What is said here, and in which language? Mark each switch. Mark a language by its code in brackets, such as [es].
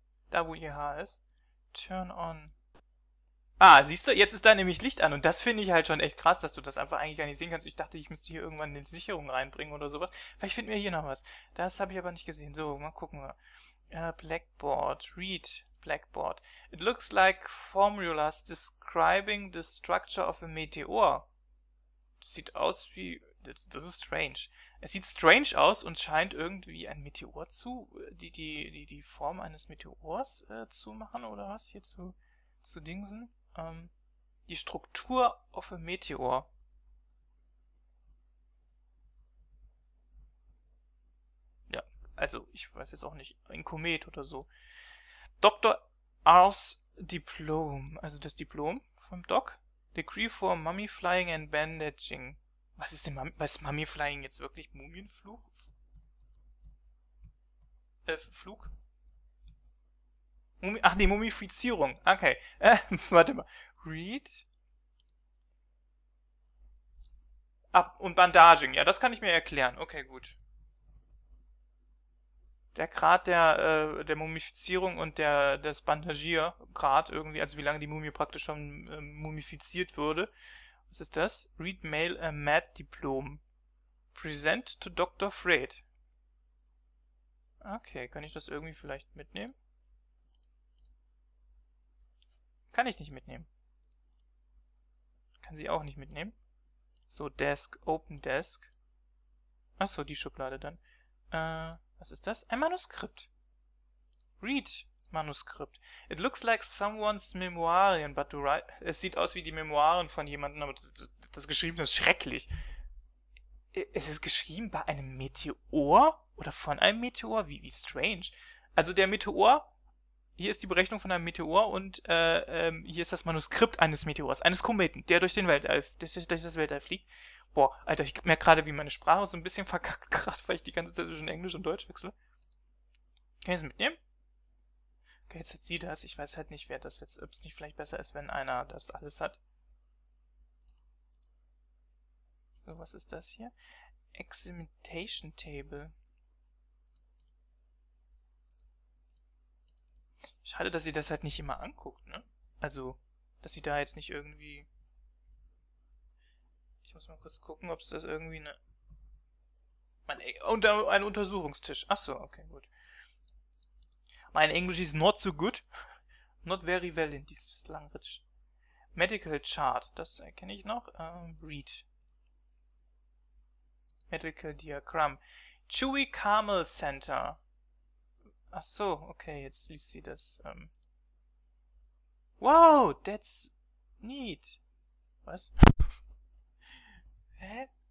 [de] Da, wo ihr Haar ist. [en] Turn on. [de] Ah, siehst du? Jetzt ist da nämlich Licht an. Und das finde ich halt schon echt krass, dass du das einfach eigentlich gar nicht sehen kannst. Ich dachte, ich müsste hier irgendwann eine Sicherung reinbringen oder sowas. Vielleicht finden wir hier noch was. Das habe ich aber nicht gesehen. So, mal gucken wir. [en] Blackboard. Read. Blackboard. It looks like formulas describing the structure of a meteor. [de] Sieht aus wie... Das ist strange. Es sieht strange aus und scheint irgendwie ein Meteor zu... Die Form eines Meteors zu machen oder was? Hier zu dingsen. Die Struktur [en] of a Meteor. [de] Ja, also ich weiß jetzt auch nicht. Ein Komet oder so. Dr. R's Diplom, also das Diplom vom Doc. [en] Degree for Mummy Flying and Bandaging. [de] Was ist denn Mummy Flying jetzt wirklich? Mumienflug? Flug? Mumifizierung. Okay. Warte mal. Read. Ah, und Bandaging. Ja, das kann ich mir erklären. Okay, gut. Der Grad der Mumifizierung und des Bandagiergrad irgendwie, also wie lange die Mumie praktisch schon mumifiziert wurde. [en] Was ist das? Read Mail a Mad Diplom. Present to Dr. Fred. [de] Okay, kann ich das irgendwie vielleicht mitnehmen? Kann ich nicht mitnehmen. Kann sie auch nicht mitnehmen. So, [en] Desk, Open Desk. [de] Achso, die Schublade dann. Was ist das? Ein Manuskript. [en] Read Manuskript. It looks like someone's memoirian, but to write... [de] Es sieht aus wie die Memoiren von jemandem, aber das Geschriebene ist schrecklich. Es ist geschrieben bei einem Meteor? Oder von einem Meteor? Wie strange. Also der Meteor... Hier ist die Berechnung von einem Meteor und hier ist das Manuskript eines Meteors, eines Kometen, der durch das Weltall fliegt. Boah, Alter, ich merke gerade, wie meine Sprache so ein bisschen verkackt, gerade weil ich die ganze Zeit zwischen Englisch und Deutsch wechsle. Kann ich das mitnehmen? Okay, jetzt hat sie das. Ich weiß halt nicht, wer das jetzt... Ob es nicht vielleicht besser ist, wenn einer das alles hat. So, was ist das hier? Examination Table. Schade, dass sie das halt nicht immer anguckt, ne? Also, dass sie da jetzt nicht irgendwie... Ich muss mal kurz gucken, ob es das irgendwie eine... Ein Untersuchungstisch. Achso, okay, gut. Mein Englisch ist [en] not so good. Not very well in this language. [de] Medical Chart, das erkenne ich noch. Read. [en] Medical Diagramm. Chewy Carmel Center. [de] Ach so, okay, jetzt liest sie das. [en] Wow, that's neat. [de] Was? Hä?